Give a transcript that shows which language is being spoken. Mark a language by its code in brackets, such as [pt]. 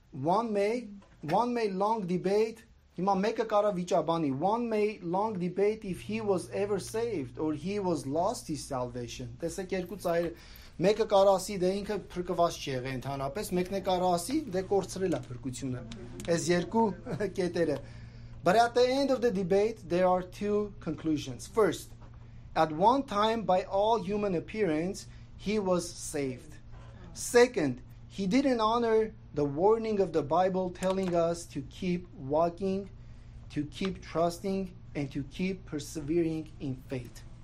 [en] One may long debate. [hy] Հիմա մեկը կարա վիճաբանի. [en] One may long debate if he was ever saved or he was lost his salvation. [hy] Տեսեք երկու ծայրը, մեկը կարա ասի, դե ինքը փրկված չի եղել ընդհանրապես, մեկն է կարա ասի, դե կորցրել է փրկությունը։ Այս երկու կետերը։ [en] But at the end of the debate there are two conclusions. First, at one time by all human appearance he was saved. Second, he didn't honor the warning of the Bible telling us to keep walking, to keep trusting, and to keep persevering in faith.